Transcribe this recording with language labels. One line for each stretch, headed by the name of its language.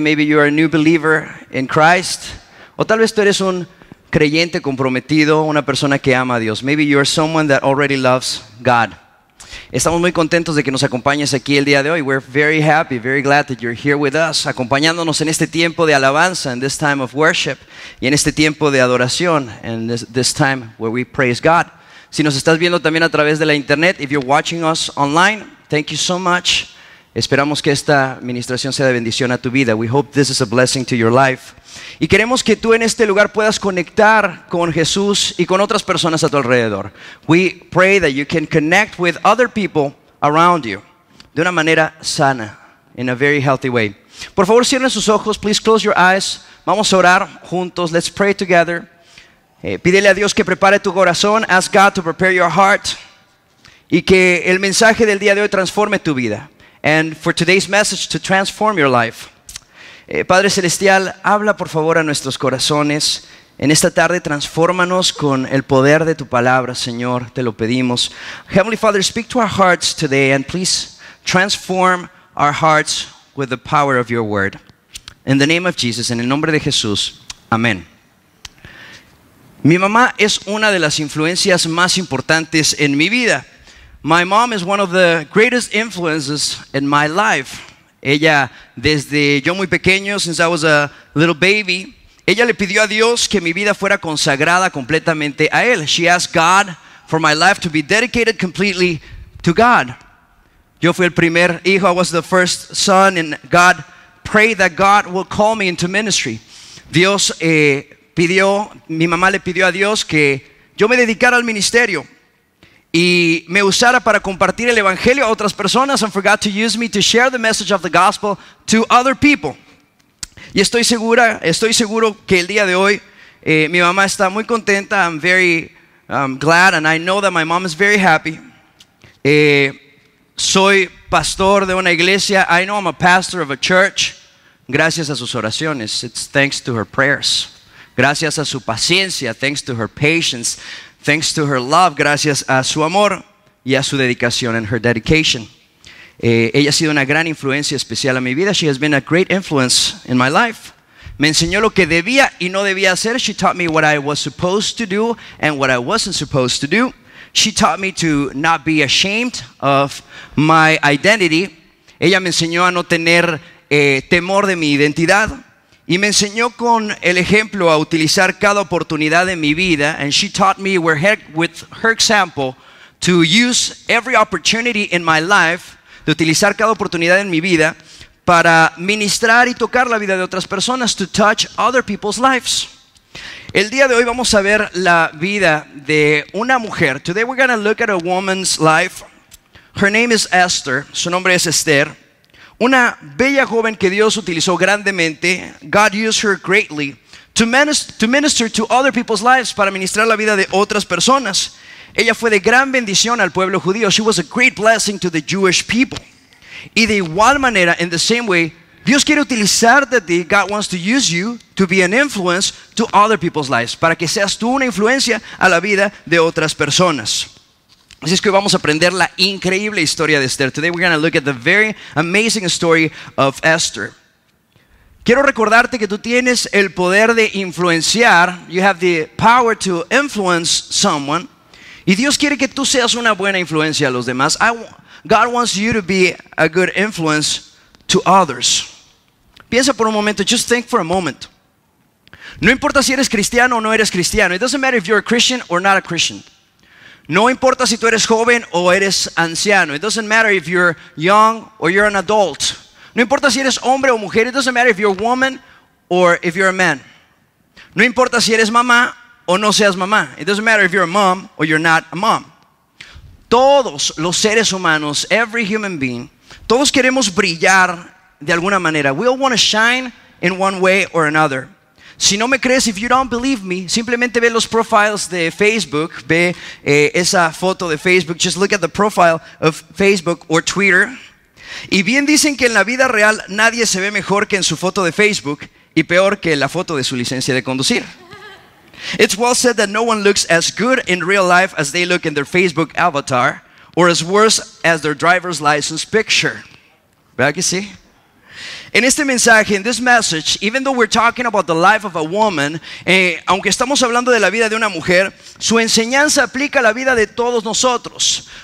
English: Maybe you are a new believer in Christ.
Spanish: O tal vez tú eres un creyente comprometido, una persona que ama a Dios.
English: Maybe you are someone that already loves God.
Spanish: Estamos muy contentos de que nos acompañes aquí el día de hoy.
English: We're very happy, very glad that you're here with us,
Spanish: acompañándonos en este tiempo de alabanza,
English: in this time of worship,
Spanish: y en este tiempo de adoración,
English: in this time where we praise God.
Spanish: Si nos estás viendo también a través de la internet,
English: if you're watching us online, thank you so much.
Spanish: Esperamos que esta administración sea de bendición a tu vida.
English: We hope this is a blessing to your life.
Spanish: Y queremos que tú en este lugar puedas conectar con Jesús y con otras personas a tu alrededor.
English: We pray that you can connect with other people around you.
Spanish: De una manera sana.
English: In a very healthy way.
Spanish: Por favor, cierren sus ojos.
English: Please close your eyes.
Spanish: Vamos a orar juntos.
English: Let's pray together.
Spanish: Pídele a Dios que prepare tu corazón.
English: Ask God to prepare your heart.
Spanish: Y que el mensaje del día de hoy transforme tu vida.
English: And for today's message to transform your life.
Spanish: Padre Celestial, habla por favor a nuestros corazones. En esta tarde, transfórmanos con el poder de tu palabra, Señor. Te lo pedimos.
English: Heavenly Father, speak to our hearts today and please transform our hearts with the power of your word. In the name of Jesus,
Spanish: en el nombre de Jesús. Amén. Mi mamá es una de las influencias más importantes en mi vida.
English: My mom is one of the greatest influences in my life.
Spanish: Ella, desde yo muy pequeño,
English: since I was a little baby,
Spanish: ella le pidió a Dios que mi vida fuera consagrada completamente a Él.
English: She asked God for my life to be dedicated completely to God.
Spanish: Yo fui el primer hijo,
English: I was the first son, and God prayed that God would call me into ministry.
Spanish: Dios pidió, mi mamá le pidió a Dios que yo me dedicara al ministerio. Y me usara para compartir el evangelio a otras personas,
English: and forgot to use me to share the message of the gospel to other people.
Spanish: Y estoy seguro que el día de hoy mi mamá está muy contenta.
English: I'm very glad, and I know that my mom is very happy.
Spanish: Soy pastor de una iglesia.
English: I know I'm a pastor of a church.
Spanish: Gracias a sus oraciones.
English: It's thanks to her prayers.
Spanish: Gracias a su paciencia.
English: Thanks to her patience. Thanks to her love,
Spanish: gracias a su amor y a su dedicación
English: and her dedication.
Spanish: Ella ha sido una gran influencia especial a mi vida.
English: She has been a great influence in my life.
Spanish: Me enseñó lo que debía y no debía hacer.
English: She taught me what I was supposed to do and what I wasn't supposed to do. She taught me to not be ashamed of my identity.
Spanish: Ella me enseñó a no tener temor de mi identidad. Y me enseñó con el ejemplo a utilizar cada oportunidad en mi vida.
English: And she taught me with her example to use every opportunity in my life,
Spanish: de utilizar cada oportunidad en mi vida para ministrar y tocar la vida de otras personas,
English: to touch other people's lives.
Spanish: El día de hoy vamos a ver la vida de una mujer.
English: Today we're going to look at a woman's life. Her name is Esther.
Spanish: Su nombre es Esther. Una bella joven que Dios utilizó grandemente,
English: God used her greatly, to minister to other people's lives,
Spanish: para ministrar la vida de otras personas. Ella fue de gran bendición al pueblo judío.
English: She was a great blessing to the Jewish people.
Spanish: Y de igual manera,
English: in the same way,
Spanish: Dios quiere utilizarte a ti,
English: God wants to use you to be an influence to other people's lives,
Spanish: para que seas tú una influencia a la vida de otras personas. Así es que hoy vamos a aprender la increíble historia de Esther.
English: Today we're going to look at the very amazing story of Esther.
Spanish: Quiero recordarte que tú tienes el poder de influenciar.
English: You have the power to influence someone.
Spanish: Y Dios quiere que tú seas una buena influencia a los demás.
English: God wants you to be a good influence to others.
Spanish: Piensa por un momento.
English: Just think for a moment.
Spanish: No importa si eres cristiano o no eres cristiano.
English: It doesn't matter if you're a Christian or not a Christian.
Spanish: No importa si tú eres joven o eres anciano.
English: It doesn't matter if you're young or you're an adult.
Spanish: No importa si eres hombre o mujer.
English: It doesn't matter if you're a woman or if you're a man.
Spanish: No importa si eres mamá o no seas mamá.
English: It doesn't matter if you're a mom or you're not a mom.
Spanish: Todos los seres humanos,
English: every human being,
Spanish: todos queremos brillar de alguna manera.
English: We all want to shine in one way or another.
Spanish: Si no me crees,
English: if you don't believe me,
Spanish: simplemente ve los profiles de Facebook,
English: ve esa foto de Facebook, just look at the profile of Facebook or Twitter.
Spanish: Y bien dicen que en la vida real nadie se ve mejor que en su foto de Facebook y peor que la foto de su licencia de conducir.
English: It's well said that no one looks as good in real life as they look in their Facebook avatar or as worse as their driver's license picture.
Spanish: ¿Verdad que sí? En este mensaje,
English: in this message, even though we're talking about the life of a woman,
Spanish: aunque estamos hablando de la vida de una mujer, su enseñanza aplica a la vida de todos nosotros.